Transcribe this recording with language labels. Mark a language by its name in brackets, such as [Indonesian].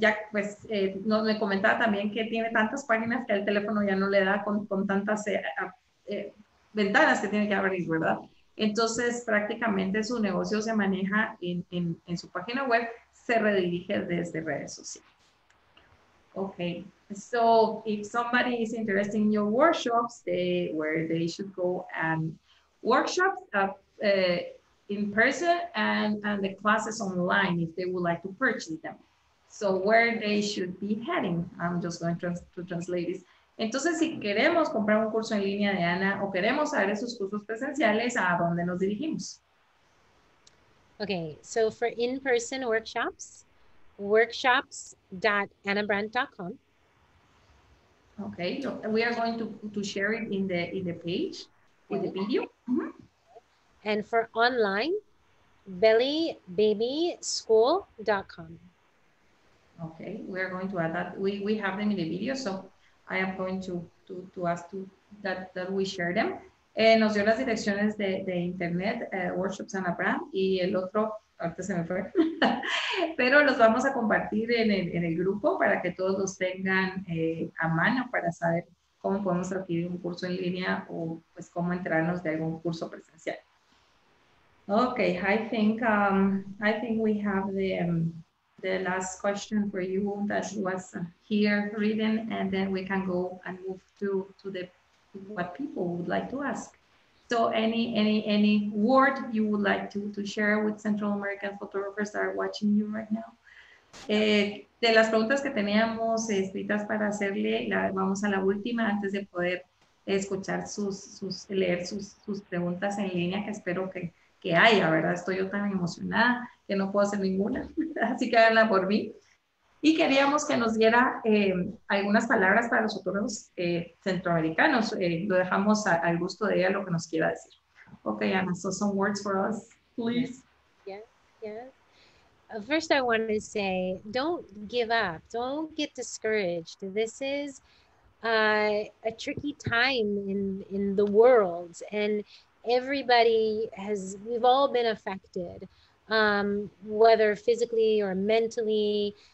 [Spanish] Ya me comentaba también que tiene tantas páginas que el teléfono ya no le da con tantas ventanas que tiene que abrir, ¿verdad? Entonces, prácticamente su negocio se maneja en su página web, se redirige desde redes sociales. [English] Okay, so if somebody is interested in your workshops, where they should go and workshops in person and the classes online if they would like to purchase them. So where they should be heading, I'm just going to translate this. [Spanish] Entonces, si queremos comprar un curso en línea de Ana o queremos saber sus cursos presenciales, ¿a dónde nos dirigimos? [English] Okay, so for in-person workshops, workshops.annabrandt.com. Okay, we are going to share it in the page with the video. Mm-hmm. And for online, bellybabyschool.com. Okay, we are going to add that. We have them in the video, so I am going to ask that we share them. [Spanish] Nos dio las direcciones de internet, Workshops Ana Brandt, y el otro Antes se me fue. Pero los vamos a compartir en el grupo para que todos los tengan a mano para saber cómo podemos adquirir un curso en línea o pues cómo enterarnos de algún curso presencial. [English] Okay, I think we have the last question for you that was here written, and then we can go and move to the what people would like to ask. So any word you would like to share with Central American photographers that are watching you right now? [Spanish] De las preguntas que teníamos escritas para hacerle, vamos a la última antes de poder escuchar leer sus preguntas en línea, que espero que haya, ¿verdad? Estoy yo tan emocionada que no puedo hacer ninguna, así que háganla por mí. Y queríamos que nos diera algunas palabras para los otros centroamericanos. Lo dejamos al gusto de ella lo que nos quiera decir. [English] Okay, Ana, so some words for us, please. First, I want to say, don't give up. Don't get discouraged. This is a tricky time in the world, and everybody has, we've all been affected, whether physically or mentally.